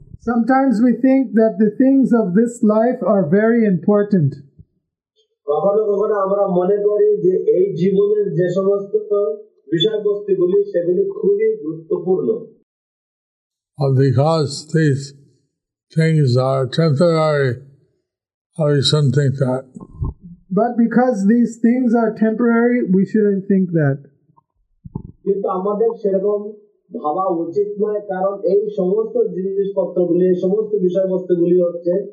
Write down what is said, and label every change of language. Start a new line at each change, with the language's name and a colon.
English: Sometimes we think that the things of this life are very important.
Bangla: কখনো কখনো আমরা মনে করি যে এই জীবনের যে সমস্ত বিষয়বস্তুগুলি সেগুলি খুবই গুরুত্বপূর্ণ।
English: But because these things are temporary, we shouldn't think that. But because these things are temporary, we shouldn't think that.
Bangla: কিন্তু আমাদের সেরকম ভাবা উচিত নয়, কারণ এই সমস্ত জিনিসপত্রগুলি এই সমস্ত বিষয়বস্তুগুলি হচ্ছে